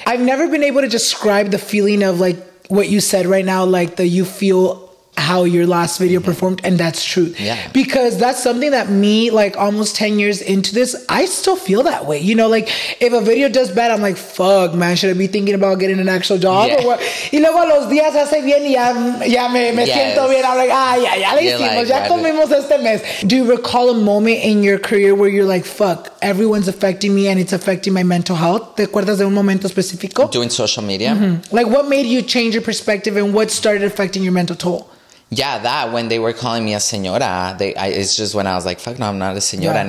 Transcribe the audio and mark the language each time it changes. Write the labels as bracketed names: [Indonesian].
[English] I've never been able to describe the feeling of, like, what you said right now, like, that you feel how your last video mm-hmm. performed, and that's true. Yeah. Because that's something that me, like almost 10 years into this, I still feel that way. You know, like if a video does bad, I'm like, fuck, man, should I be thinking about getting an actual job? Yeah. Or what? [Spanish] Y luego los días hace bien y ya me siento bien. [English] I'm like, ah, [Spanish] ya le hicimos, like, ya comimos este mes. [English] Do you recall a moment in your career where you're like, fuck, everyone's affecting me and it's affecting my mental health? [Spanish] ¿Te acuerdas de un momento específico? [English] Doing social media. Mm-hmm. Like, what made you change your perspective and what started affecting your mental toll? Yeah, that when they were calling me a señora, it's just when I was like, fuck no, I'm not a señora.